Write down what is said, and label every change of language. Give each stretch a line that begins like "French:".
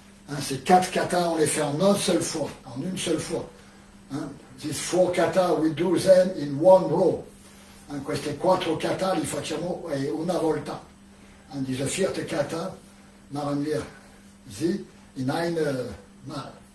French: Hein, ces quatre kata, on les fait en une seule fois. En une seule fois.
English: Hein, these four kata, we do them in one row.
Italian: Hein, queste quattro kata, li facciamo una volta.
German: Hein, diese vierte kata, machen wir sie in eine mal.